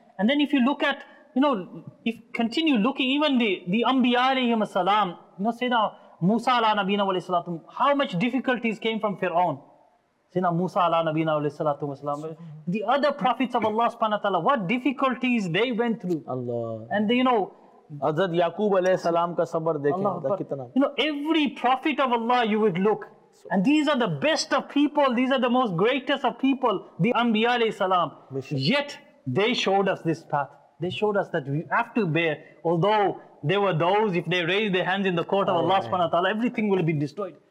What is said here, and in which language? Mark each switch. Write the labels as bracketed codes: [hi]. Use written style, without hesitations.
[en] And then if you look at, you know, if continue looking, even the Anbiya alayhim as-salam, you know, Sayyidina Musa ala Nabina alayhi salatu, how much difficulties came from Fir'aun. Sayyidina Musa ala Nabina alayhi salatu wasalam. The other prophets of Allah subhanahu wa ta'ala, what difficulties they went through. Allah. And they, you know, [ur] حضرت یعقوب علیہ السلام کا صبر دیکھیں کتنا. [en] You know, every prophet of Allah you would look, and these are the best of people, these are the most greatest of people, the Anbiya alayhi salam. Yet they showed us this path. They showed us that we have to bear, although there were those, if they raised their hands in the court of Allah subhanahu wa ta'ala, everything will be destroyed.